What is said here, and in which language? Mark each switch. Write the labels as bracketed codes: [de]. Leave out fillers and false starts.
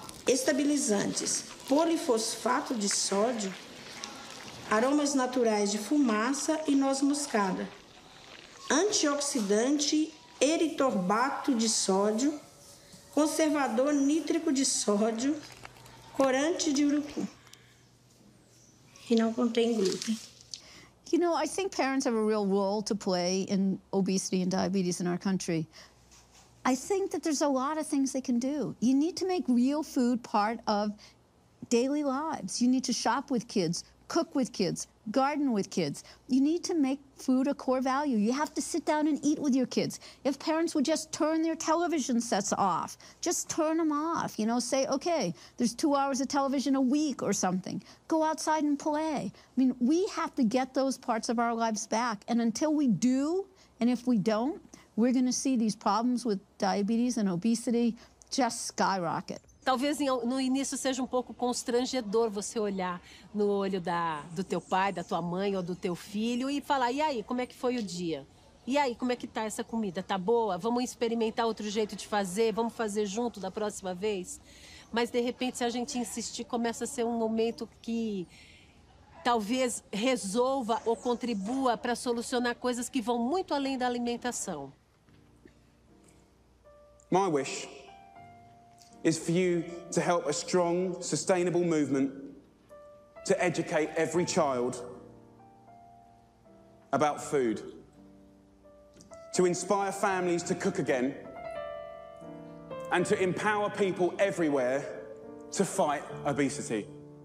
[pt] estabilizantes, polifosfato de sódio, aromas naturais de fumaça e noz moscada, antioxidante eritorbato de sódio, conservador nítrico de sódio, corante de urucum. E não contém glúten. [en] You know, I think parents have a real role to play in obesity and diabetes in our country. I think that there's a lot of things they can do. You need to make real food part of daily lives. You need to shop with kids, cook with kids, garden with kids. You need to make food a core value. You have to sit down and eat with your kids. If parents would just turn their television sets off, just turn them off, you know, say, okay, there's 2 hours of television a week or something. Go outside and play. I mean, we have to get those parts of our lives back. And until we do, and if we don't, we're going to see these problems with diabetes and obesity just skyrocket. [pt] Talvez no início seja um pouco constrangedor você olhar no olho do teu pai, da tua mãe ou do teu filho e falar, e aí, como é que foi o dia? E aí, como é que tá essa comida? Tá boa? Vamos experimentar outro jeito de fazer? Vamos fazer junto da próxima vez? Mas, de repente, se a gente insistir, começa a ser um momento que talvez resolva ou contribua para solucionar coisas que vão muito além da alimentação. [en] My wish is for you to help a strong, sustainable movement to educate every child about food, to inspire families to cook again, and to empower people everywhere to fight obesity.